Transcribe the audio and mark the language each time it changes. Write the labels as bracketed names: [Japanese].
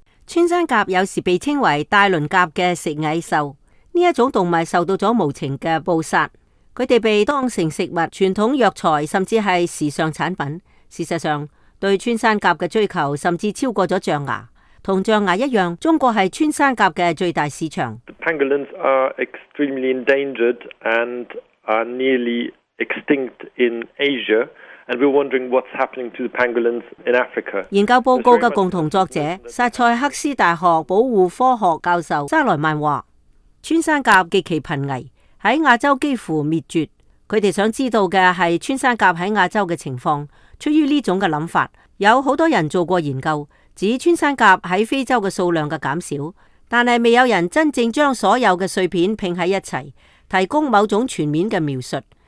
[Chinese] 穿山甲有时被称为大鳞甲的食蚁兽，这一种动物受到了无情的捕杀，它们被当成食物、传统药材甚至是时尚产品。事实上，对穿山甲的追求甚至超过了象牙，同象牙一样，中国是穿山甲的最大市场。 [English] The pangolins are extremely endangered and are nearly extinct in Asia. And we're wondering what's happening to the pangolins in Africa. [Chinese] 研究报告的共同作者萨塞克斯大学保护科学教授沙莱曼说，穿山甲极其濒危，在亚洲几乎灭绝。他们想知道的是穿山甲在亚洲的情况。出于这种想法，有很多人做过研究，指穿山甲在非洲的数量的减少，但是未有人真正将所有的碎片拼在一起，提供某种全面的描述。